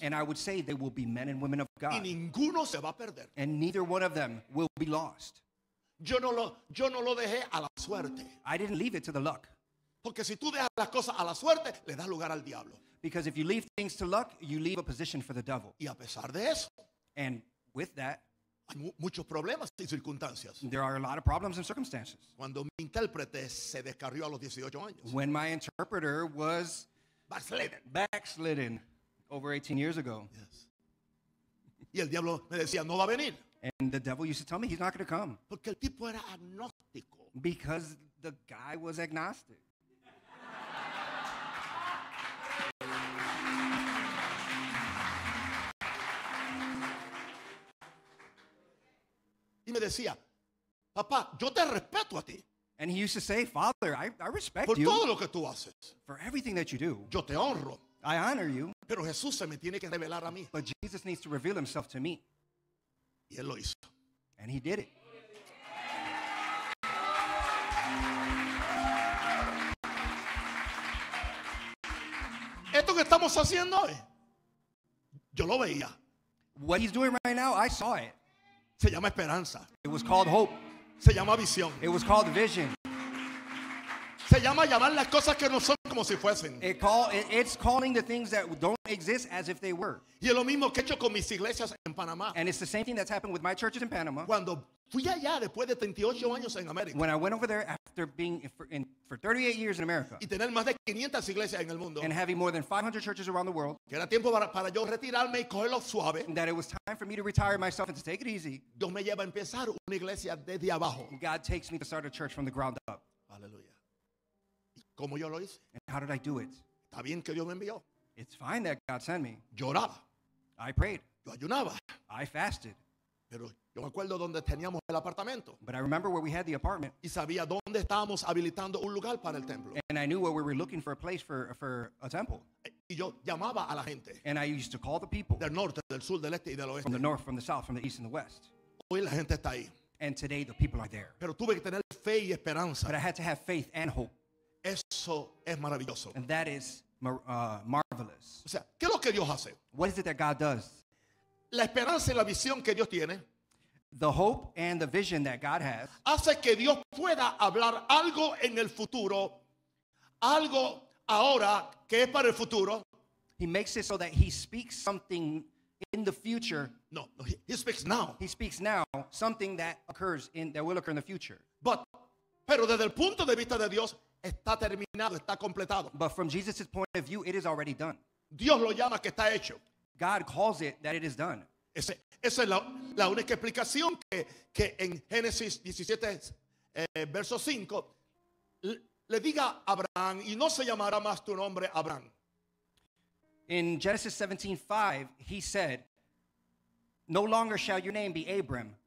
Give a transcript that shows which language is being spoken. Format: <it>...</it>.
<en>And I would say they will be men and women of God.</en> <es>Y ninguno se va a perder.</es> <en>And neither one of them will be lost.</en> <es>Yo no lo dejé a la suerte.</es> <en>I didn't leave it to the luck.</en> <es>Porque si tú dejas las cosas a la suerte, le das lugar al diablo.</es> <en>Because if you leave things to luck, you leave a position for the devil.</en> <es>Y a pesar de eso,</es> <en>and with that,</en> <es>hay muchos problemas y circunstancias.</es> <en>There are a lot of problems and circumstances.</en> <es>Cuando mi intérprete se descarrió a los 18 años.</es> <en>When my interpreter was backslidden over 18 years ago. Yes.</en> <es>Y el diablo me decía, no va a venir.</es> <en>And the devil used to tell me he's not going to come.</en> <es>Porque el tipo era agnóstico.</es> <en>Because the guy was agnostic.</en> <es>Y me decía, papá, yo te respeto a ti.</es> <en>And he used to say, Father, I respect</en> <es>por</es> <en>you.</en> <es>Por todo lo que tú haces.</es> <en>For everything that you do.</en> <es>Yo te honro.</es> <en>I honor you.</en> <es>Pero Jesús se me tiene que revelar a mí.</es> <en>But Jesus needs to reveal himself to me.</en> <es>Y él lo hizo.</es> <en>And he did it.</en> <es>Esto que estamos haciendo hoy, yo lo veía.</es> <en>What he's doing right now, I saw it.</en> <es>Se llama esperanza.</es> <en>It was called hope.</en> <es>Se llama visión.</es> <en>It was called vision.</en> <es>Se llama llamar las cosas que no son como si fuesen.</es> <en>It's calling the things that don't exist as if they were.</en> <es>Y es lo mismo que he hecho con mis iglesias en Panamá.</es> <en>And it's the same thing that's happened with my churches in Panama.</en> <es>Cuando fui allá después de 38 años en América.</es> <en>When I went over there after being for 38 years in America.</en> <es>Y tener más de 500 iglesias en el mundo.</es> <en>And having more than 500 churches around the world.</en> <es>Que era tiempo para yo retirarme y cogerlo suave.</es> <en>That it was time for me to retire myself and to take it easy.</en> <es>Dios me lleva a empezar una iglesia desde abajo.</es> <en>God takes me to start a church from the ground up.</en> <es>Aleluya. ¿Cómo yo lo hice?</es> <en>And how did I do it?</en> <es>Está bien que Dios me envió.</es> <en>It's fine that God sent me.</en> <es>Lloraba.</es> <en>I prayed.</en> <es>Yo ayunaba.</es> <en>I fasted.</en> <es>Pero yo me acuerdo dónde teníamos el apartamento.</es> <en>But I remember where we had the apartment.</en> <es>Y sabía dónde estábamos habilitando un lugar para el templo.</es> <en>And I knew where we were looking for a place for a temple.</en> <es>Y yo llamaba a la gente.</es> <en>And I used to call the people.</en> <es>Del norte, del sur, del este y del oeste.</es> <en>From the north, from the south, from the east and the west.</en> <es>Hoy la gente está ahí.</es> <en>And today the people are there.</en> <es>Pero tuve que tener fe y esperanza.</es> <en>But I had to have faith and hope.</en> <es>Eso es maravilloso.</es> <en>And that is marvelous.</en> <es>O sea, ¿qué es lo que Dios hace?</es> <en>What is it that God does?</en> <es>La esperanza y la visión que Dios tiene.</es> <en>The hope and the vision that God has.</en> <es>Hace que Dios pueda hablar algo en el futuro. Algo ahora que es para el futuro.</es> <en>He makes it so that he speaks something in the future. No, he speaks now. He speaks now something that occurs in that will occur in the future.</en> <es>Pero desde el punto de vista de Dios, está terminado, está completado.</es> <en>But from Jesus' point of view, it is already done.</en> <es>Dios lo llama que está hecho.</es> <en>God calls it that it is done.</en> <es>Esa es la única explicación que en Génesis 17, verso 5, le diga a Abraham, y no se llamará más tu nombre Abraham.</es> <en>In Genesis 17:5, he said, no longer shall your name be Abram,</en>